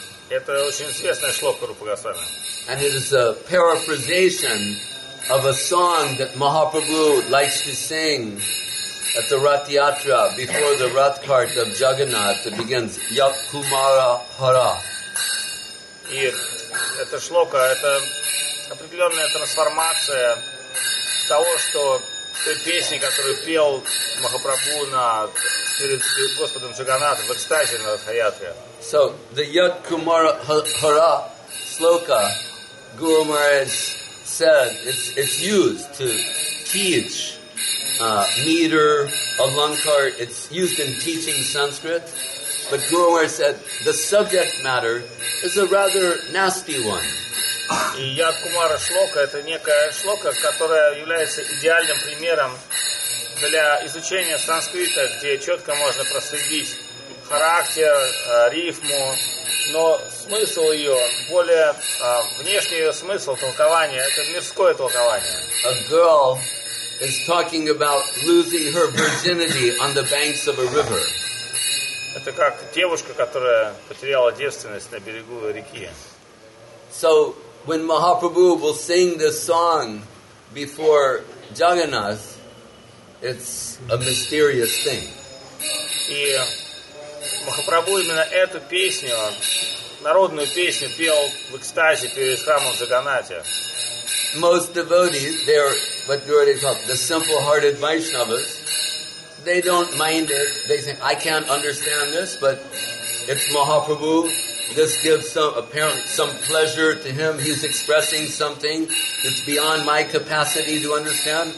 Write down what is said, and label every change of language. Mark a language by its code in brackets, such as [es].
[ru] Это очень известная шлока Рупа Госвами. [en] And it is a paraphrasation of a song that Mahaprabhu likes to sing at the Rath Yatra before the Rath cart of Jagannath that begins Yat Kumara Hara. [ru] И эта шлока — это определенная трансформация того, что той песни, которую пел Махапрабху перед Господом Джаганнатом в экстазе на Рат Хаятре. [en] So, the Yat Kumara Hara шлока Guru Maharaj said it's used to teach meter, alankar, it's used in teaching Sanskrit. But Guru Maharaj said the subject matter is a rather nasty one. [ru] И Yat Kumara шлока — это некая шлока, которая является идеальным примером для изучения санскрита, где четко можно проследить характер, рифму. Но смысл ее, более внешний ее смысл, толкование, это мирское толкование. [en] A girl is talking about losing her virginity on the banks of a river. [ru] Это как девушка, которая потеряла девственность на берегу реки. [en] So, when Mahaprabhu will sing this song before Jagannath, it's a mysterious thing. [ru] И Махапрабху именно эту песню, народную песню, пел в экстазе перед храмом Джаганнате. [en] Most devotees, they're what you already called the simple-hearted Vaishnavas. They don't mind it. They think, I can't understand this, but it's Mahaprabhu. This gives some apparent some pleasure to him. He's expressing something that's beyond my capacity to understand.